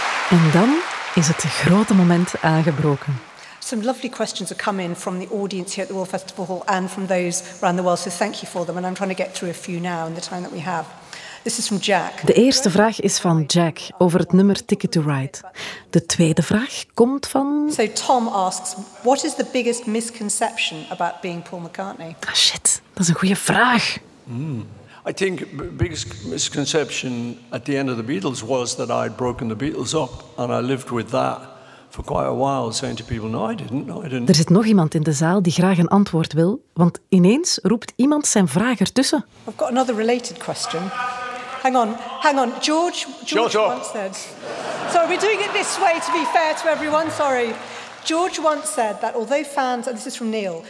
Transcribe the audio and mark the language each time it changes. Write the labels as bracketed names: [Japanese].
[Dutch] En dan is het grote moment aangebroken. [English] Some lovely questions have come in from the audience here at the Royal Festival Hall and from those around the world, so thank you for them. And I'm trying to get through a few now in the time that we have. This is from Jack. [Dutch] De eerste vraag is van Jack over het nummer Ticket to Ride. De tweede vraag komt van... [English] So Tom asks, what is the biggest misconception about being Paul McCartney? [Dutch] Ah, shit, dat is een goede vraag. [English] I think the biggest misconception at the end of the Beatles was that I had broken the Beatles up. And I lived with that for quite a while, saying to people, no, I didn't. [Dutch] Er zit nog iemand in de zaal die graag een antwoord wil, want ineens roept iemand zijn vraag ertussen. [English] I've got another related question. Hang on. George once said... So are we doing it this way to be fair to everyone? Sorry. George once said that although fans... And this is from Neil.